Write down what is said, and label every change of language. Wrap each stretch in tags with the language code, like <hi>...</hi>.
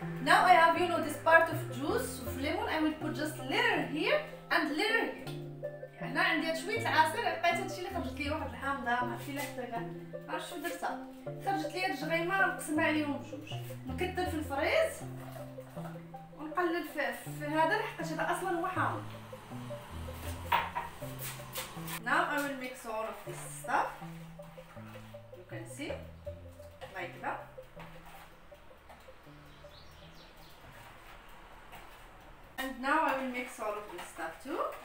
<en>Now I have you know this part of juice of lemon. I will put just litter here and litter here.</en> <ar>هنا عندي شوية العصير، لقيت هادشي اللي خرجت لي واحد الحامضة ما عرفتي لا حتى عرفت شنو درتها، خرجت لي هاد الجريمة نقسمها عليهم بجوج، نكثر في الفريز ونقلل في هذا لحقاش هذا أصلا هو حامض.</ar> <en>Now I will mix all of this stuff. You can see like that. And now I will mix all of this stuff too.</en>